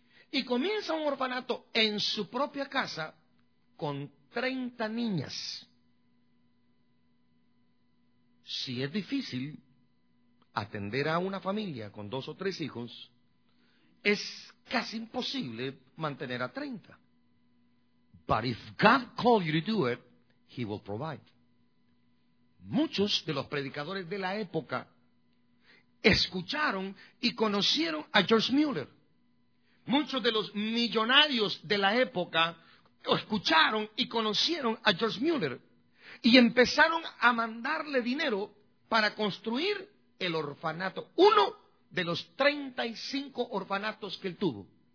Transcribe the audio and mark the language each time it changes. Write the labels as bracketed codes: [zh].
[es] Y comienza un orfanato en su propia casa con 30 niñas. Si es difícil atender a una familia con 2 o 3 hijos, es casi imposible mantener a 30. [en] But if God calls you to do it, He will provide. [es] Muchos de los predicadores de la época escucharon y conocieron a George Mueller. Muchos de los millonarios de la época escucharon y conocieron a George Mueller y empezaron a mandarle dinero para construir el orfanato, uno de los 35 orfanatos que él tuvo.